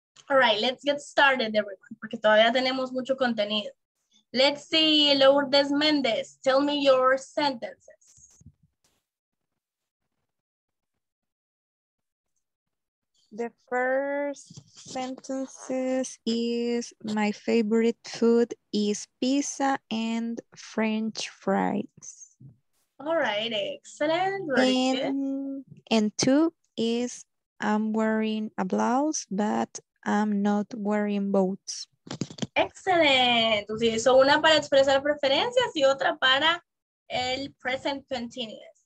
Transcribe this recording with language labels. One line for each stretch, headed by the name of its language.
English: All right, let's get started, everyone,
Spanish: porque todavía tenemos mucho contenido.
English: Let's see, Lourdes Méndez, tell me your sentences. The first sentence is, my favorite food is pizza and French fries. All right, excellent. And two is, I'm wearing a blouse, but I'm not wearing boots. Excellent.
Spanish: Utilizo una para expresar preferencias y otra para el present continuous.